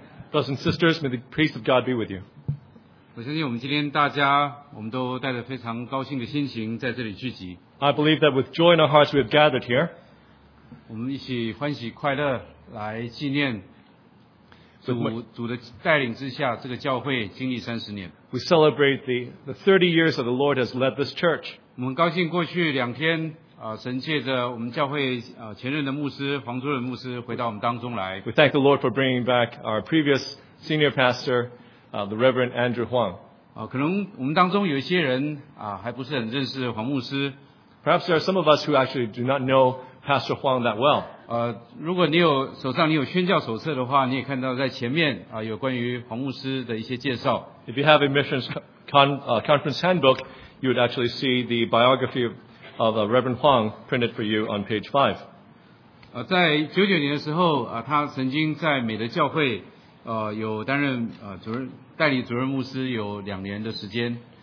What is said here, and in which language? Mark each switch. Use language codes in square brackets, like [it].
[en] Brothers and sisters, may the peace of God be with you. [zh] 我相信我们今天大家，我们都带着非常高兴的心情在这里聚集。 [en] I believe that with joy in our hearts, we have gathered here. [zh] 我们一起欢喜快乐来纪念主的带领之下，这个教会经历三十年。 [en] We celebrate the 30 years that the Lord has led this church. [zh] 我们高兴过去两天神借着我们教会前任的牧师黄主任牧师回到我们当中来。 [en] We thank the Lord for bringing back our previous senior pastor, the Reverend Andrew Huang. [zh] 可能我们当中有一些人还不是很认识黄牧师。 [en] Perhaps there are some of us who actually do not know Pastor Huang that well. [zh] 如果你有手上你有宣教手册的话，你也看到在前面有关于黄牧师的一些介绍。 [en] If you have a missions conference handbook, you would actually see the biography of Reverend Huang printed for you on page 5. [zh] 在99年的时候他曾经在美的教会有担任主任代理主任牧师有两年的时间。